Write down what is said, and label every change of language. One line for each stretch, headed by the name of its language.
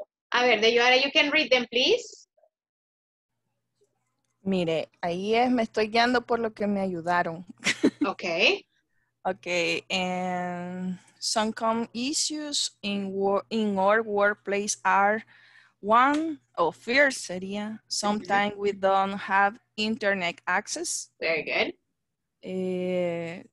Spanish: A ver,
English: de Ivara, you can read them, please.
Spanish: Mire, ahí es, me estoy guiando por lo que me ayudaron.
English: Okay. Okay, and some common issues in our workplace are fear sería. Sometimes we don't have internet access. Very good.